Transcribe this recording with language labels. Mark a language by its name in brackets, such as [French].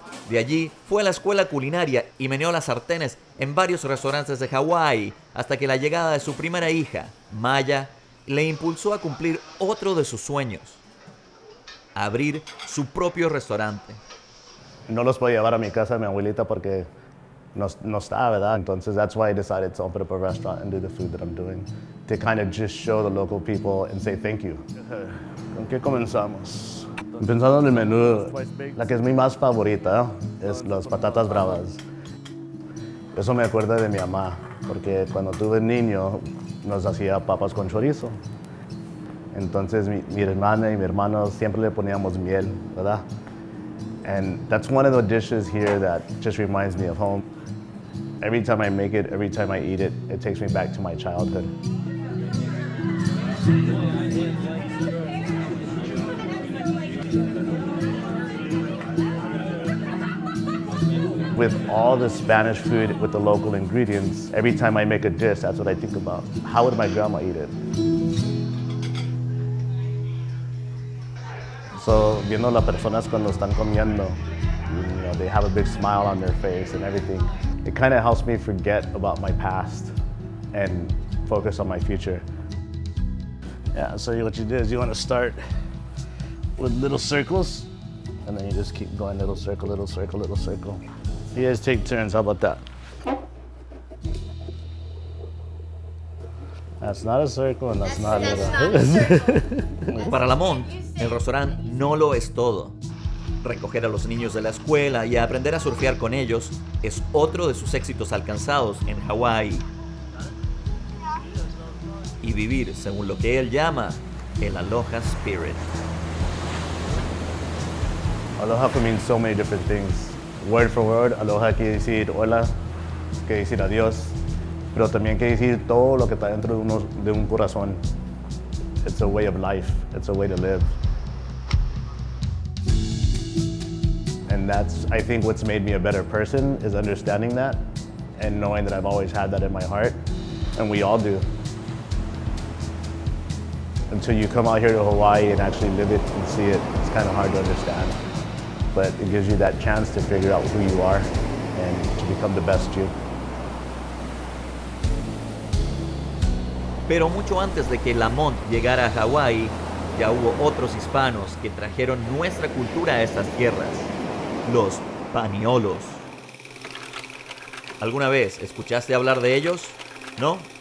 [Spanish] De allí, fue a la escuela culinaria y meneó las sartenes en varios restaurantes de Hawái hasta que la llegada de su primera hija, Maya, le impulsó a cumplir otro de sus sueños. Abrir su propio restaurante. No los puedo llevar a mi casa, a mi abuelita, porque no está, ¿verdad? Entonces, [English] that's why I decided to open up a restaurant and do the food that I'm doing. To kind of just show the local people and say thank you. [Spanish] ¿Con qué comenzamos? Pensando en el menú, la que es mi más favorita es las patatas bravas. Eso me acuerda de mi mamá, porque cuando tuve niño nos hacía papas con chorizo. Entonces mi hermana y mi hermano siempre le poníamos miel, ¿verdad? [English] And that's one of the dishes here that just reminds me of home. Every time I make it, every time I eat it, it takes me back to my childhood. With all the Spanish food with the local ingredients, every time I make a dish, that's what I think about. How would my grandma eat it? [Spanish] So, viendo las personas cuando están comiendo, [English] You know, they have a big smile on their face and everything. It kind of helps me forget about my past and focus on my future. Yeah, so what you do is you want to start with little circles, and then you just keep going little circle, little circle, little circle. You guys take turns, how about that? That's not a circle and that's not a little. [Spanish] Para Lamont, el restaurant no lo es todo. Recoger a los niños de la escuela y aprender a surfear con ellos es otro de sus éxitos alcanzados en Hawái. Y vivir según lo que él llama el Aloha Spirit. [English] Aloha can mean so many different things. Word for word, [Spanish] aloha quiere decir hola, quiere decir adiós, pero también quiere decir todo lo que está dentro de un corazón. [English] It's a way of life, it's a way to live. And that's, I think, what's made me a better person is understanding that and knowing that I've always had that in my heart, and we all do. Until you come out here to Hawaii and actually live it and see it, it's kind of hard to understand. But it gives you that chance to figure out who you are and to become the best you. [Spanish] Pero mucho antes de que Lamont llegara a Hawaii, ya hubo otros hispanos que trajeron nuestra cultura a estas tierras. Los Paniolos. ¿Alguna vez escuchaste hablar de ellos? ¿No?